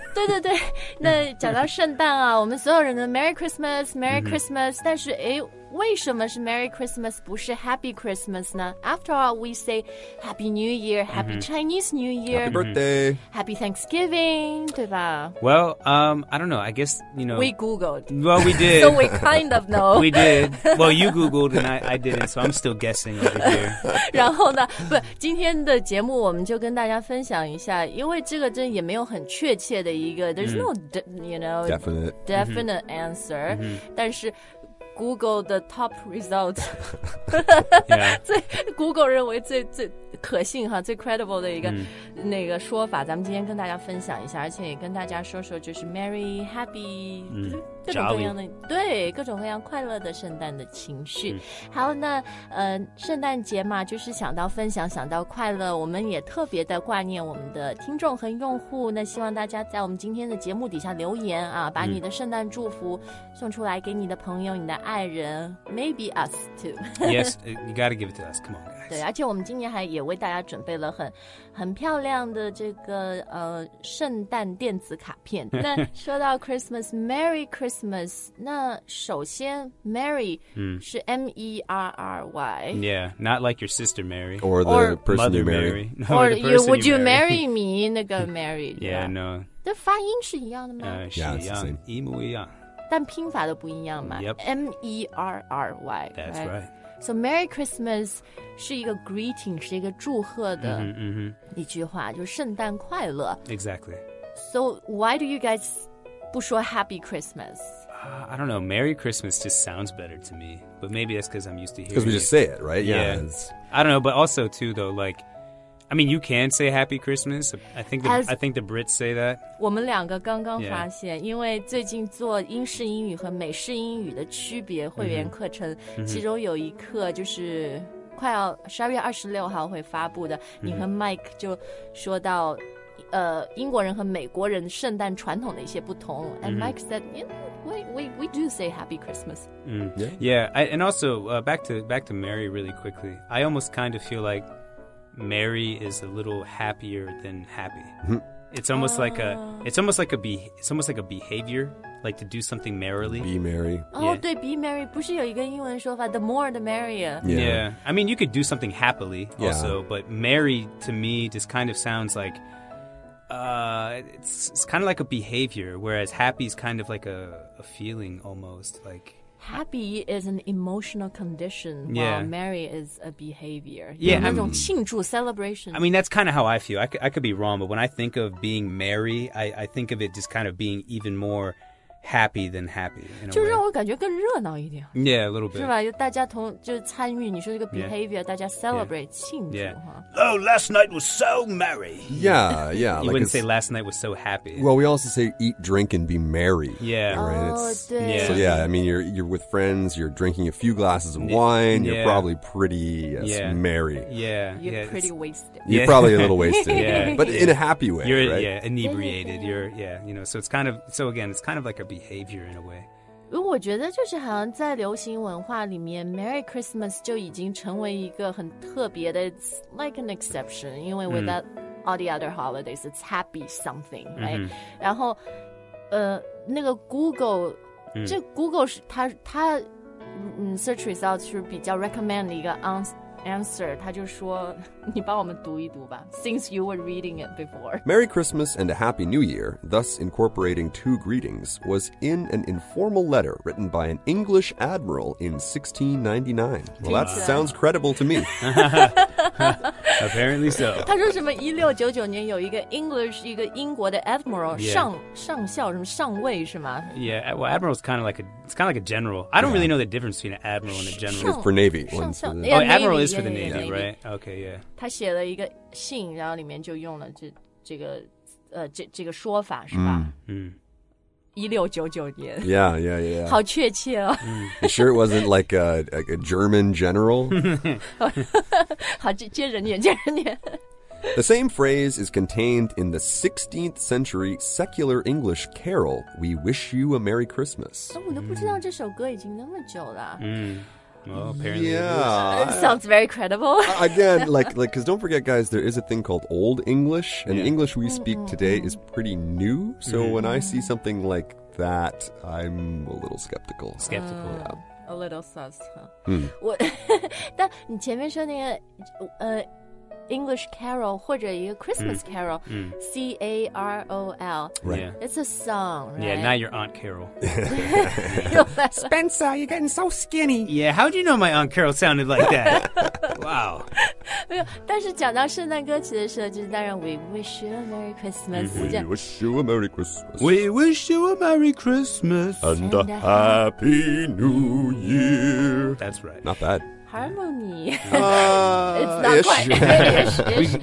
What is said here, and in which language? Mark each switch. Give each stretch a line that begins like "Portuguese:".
Chinese: 对对对，那讲到圣诞啊，我们所有人的
English: Merry Christmas, Merry Christmas,、
Chinese: mm-hmm. 但是诶，为什么是 Merry Christmas 不是 Happy Christmas 呢？
English: After all, we say Happy New Year, Happy、mm-hmm. Chinese New Year, Happy Birthday, Happy Thanksgiving,
Chinese: 对吧？
English: Well, I don't know, I guess, you know... We Googled. Well, we did. So we kind of know. We did. Well, you Googled and I didn't, so I'm still guessing over here.
Chinese: 然后呢，不，今天的节目我们就跟大家分享一下，因为这个真也没有很确切的一个
English: There's、mm-hmm. no, you know... Definite、 mm-hmm. answer.、Mm-hmm.
Chinese: 但是
English: Google the top result.
Chinese: Google 认为最可信哈，最 credible 的一个、mm. 那个说法，咱们今天跟大家分享一下，而且也跟大家说说，就是 Merry Happy、mm. 各种各样的、
English: Jolly.
Chinese: 对各种各样快乐的圣诞的情绪。好、mm. ，那圣诞节嘛，就是想到分享，想到快乐，我们也特别的挂念我们的听众和用户。那希望大家在我们今天的节目底下留言啊，把你的圣诞祝福送出来给你的朋友、你的爱人 ，
English: Maybe us too. Yes, you gotta give it to us. Come on, guys.
Chinese: 对，而且我们今年还也为大家准备了很漂亮的这个圣诞电子卡片。那说到 Christmas, Merry Christmas, 那首先 Merry、mm.
English: 是 M-E-R-R-Y. Yeah, not like your sister Mary. Or the or person Mother you marry. Mary. No, or you, would you marry me, 那个 Mary? Yeah, no.
Chinese: 这发音是一样的吗？是一样，一模一样。但拼法都不一样嘛。
English: Yep. M-E-R-R-Y. That's right.
Chinese: So Merry Christmas 是一个 greeting, 是一个祝贺的一句话、 mm-hmm. 就是圣诞快乐。
English: Exactly. So why do you guys
Chinese: 不说
English: Happy Christmas?、 I don't know, Merry Christmas just sounds better to me. But maybe that's because I'm used to hearing it. Because we just say it, right? Yeah. Yeah. I don't know, but also too though, like, I mean, you can say Happy Christmas. I think the Brits say that.
Chinese: 我们两个刚刚发现、yeah. 因为最近做英式英语和美式英语的区别会员课程、mm-hmm. 其中有一课就是快要12月26号会发布的、mm-hmm. 你和 Mike 就说到英国人和美国人圣诞传统的一些不同、mm-hmm.
English: And Mike said, you know, we do say Happy Christmas.、 Mm-hmm. Yeah, yeah. And also,、back to Mary really quickly. I almost kind of feel like,Mary is a little happier than happy. It's almost like a, it's almost like a behavior, like to do something merrily. Be merry. Oh, yeah. 对 be merry.
Chinese: 不是有一个英文说法
English: the more the merrier. Yeah. Yeah. I mean, you could do something happily also,、yeah. but merry to me just kind of sounds like, it's kind of like a behavior, whereas happy is kind of like a feeling almost like. Happy is an emotional condition, while、 yeah. merry is a behavior. Yeah,
Chinese: 那种庆祝 celebration.
English: I mean, that's kind of how I feel. I could be wrong, but when I think of being merry, I think of it just kind of being even more happy than happy.
Chinese: 就让我感觉更热闹一点。
English: Yeah, a little bit.
Chinese: 是吧？就大家同就是参与。你说这个 behavior,、
English: yeah.
Chinese: 大家 celebrate、
English: yeah.
Chinese: 庆祝、
English: yeah. Oh, last night was so merry. Yeah, yeah. You like wouldn't say last night was so happy. Well, we also say eat, drink, and be merry. Yeah. Right? Oh, 对。 So yeah, I mean, you're with friends, you're drinking a few glasses of wine, you're、 probably pretty、yes, yeah. merry. Yeah. You're pretty wasted. You're probably a little wasted. Yeah. But in a happy way, you're, right? Yeah, inebriated. You're, yeah, you know, so it's kind of, so again, it's kind of like a behavior in a way.
Chinese: 我觉得就是好像在流行文化里面 Merry Christmas 就已经成为一个很特别的
English: It's like an exception,
Chinese: 因为 without、mm.
English: all the other holidays, it's happy something, right?、Mm-hmm.
Chinese: 然后那个 Google,、mm. 这 Google 是它 search results 是比较 recommend 的一个 answer, 他就说你帮我们读一读吧
English: since you were reading it before. Merry Christmas and a Happy New Year, thus incorporating two greetings, was in an informal letter written by an English admiral in 1699. Well, that sounds credible to me. Apparently so.
Chinese: 他说什么1699年有一个 English, 一个英国的 admiral,、
English: yeah.
Chinese: 上校什么上尉是吗
English: Yeah, well, admiral is kind of like a general. I don't、 yeah. really know the difference between an admiral and a general. It's for Navy. Admiral is for the Navy, right? Okay, yeah.
Chinese: 他写了一个信，然后里面就用了这个说法，是吧？嗯， 1699年。
English: Yeah, yeah, yeah.
Chinese: 好确切哦。
English: You sure it wasn't like a German general?
Chinese: 好，接着念，接着念。
English: The same phrase is contained in the 16th century secular English carol, We Wish You a Merry Christmas. Sounds very credible. Again, like, because don't forget, guys, there is a thing called Old English, and the English we speak today is pretty new. So when I see something like that, I'm a little skeptical. Skeptical, yeah. A little sus, huh?
Chinese: 但你前面说那个English carol 或者一个 Christmas carol, C-A-R-O-L.
English: Right. Yeah. It's a song, right? Yeah, not your Aunt Carol. Spencer, you're getting so skinny. Yeah, how do you know my Aunt Carol sounded like that? Wow.
Chinese: 没有，但是讲到圣诞歌曲的时候，就是当然 We wish you a Merry Christmas.
English: We wish you a Merry Christmas. We wish you a Merry Christmas. And a Happy New Year. That's right. Not bad. Harmony. It's not quite.